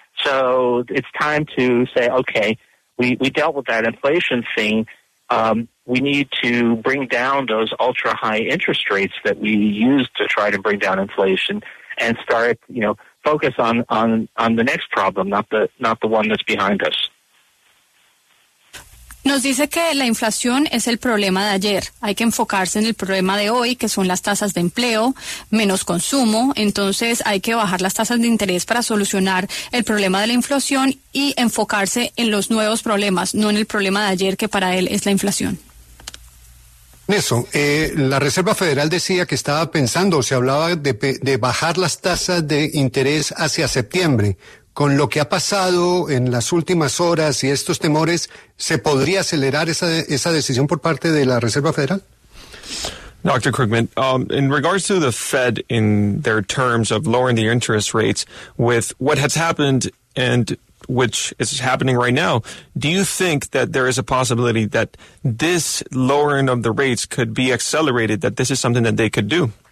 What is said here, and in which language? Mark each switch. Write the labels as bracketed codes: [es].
[en] So it's time to say, okay, we dealt with that inflation thing. We need to bring down those ultra high interest rates that we used to try to bring down inflation and start, focus on the next problem, not the one that's behind us. [es] Nos dice que la inflación es el problema de ayer. Hay que enfocarse en el problema de hoy, que son las tasas de empleo, menos consumo. Entonces, hay que bajar las tasas de interés para solucionar el problema de la inflación y enfocarse en los nuevos problemas, no en el problema de ayer, que para él es la inflación. Nelson, la Reserva Federal decía que estaba pensando, se hablaba de bajar las tasas de interés hacia septiembre. Con lo que ha pasado en las últimas horas y estos temores, ¿se podría acelerar esa decisión por parte de la Reserva Federal? [en] Dr. Krugman, in regards to the Fed in their terms of lowering the interest rates, with what has happened and which is happening right now, do you think that there is a possibility that this lowering of the rates could be accelerated, that this is something that they could do?